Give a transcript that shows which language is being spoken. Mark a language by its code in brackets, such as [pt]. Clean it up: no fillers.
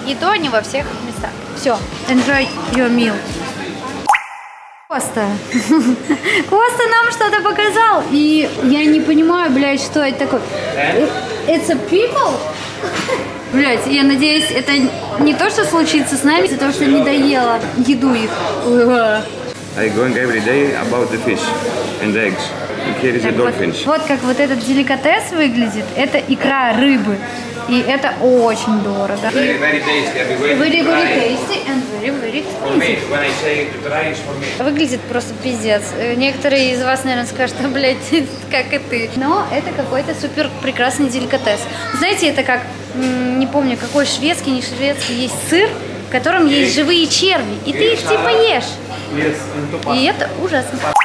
[ru] И то не во всех местах. Все. Enjoy your meal. Коста. Коста нам что-то показал. И я не понимаю, блядь, что это такое. [en] It's a people? [ru] Блять, я надеюсь, это не то, что случится с нами, из-за того, что не доела еду их. [en] I going every day about the fish and eggs. And here is a dolphin. [ru] Вот как вот этот деликатес выглядит. Это икра рыбы. И это очень дорого. [en] Very, very tasty. Very tasty and very expensive. [ru] Выглядит просто пиздец. Некоторые из вас, наверное, скажут, что, блядь, как и ты. Но это какой-то супер прекрасный деликатес. Знаете, это как, не помню, какой шведский, не шведский, есть сыр, в котором есть живые черви. И ты их типа ешь. И это ужасно.